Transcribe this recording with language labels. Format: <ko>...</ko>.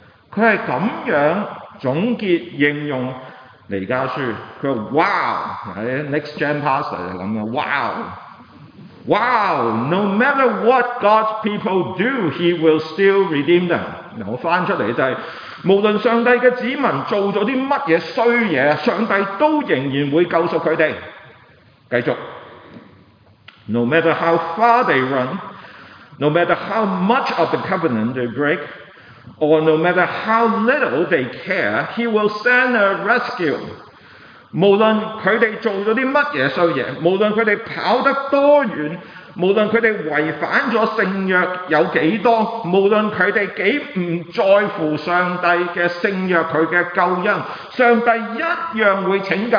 <zh>他是這樣總結應用尼家書，他說</zh> <en>Wow， Next Gen Pastor</en> <zh>就這樣</zh> <en>Wow， Wow， No matter what God's people do， He will still redeem them。</en> <zh>我翻出來就是，無論上帝的子民做了什麼壞事，上帝都仍然會救贖他們。繼續，</zh> <en>No matter how far they run， No matter how much of the covenant they breakOr no matter how little they care, he will send a rescue.</en> <zh>無論他們做了什麼壞事，無論他們跑得多遠，無論他們違反了聖約有多少，無論他們多不在乎上帝的聖約，他的救恩，上帝一樣會拯救。</zh>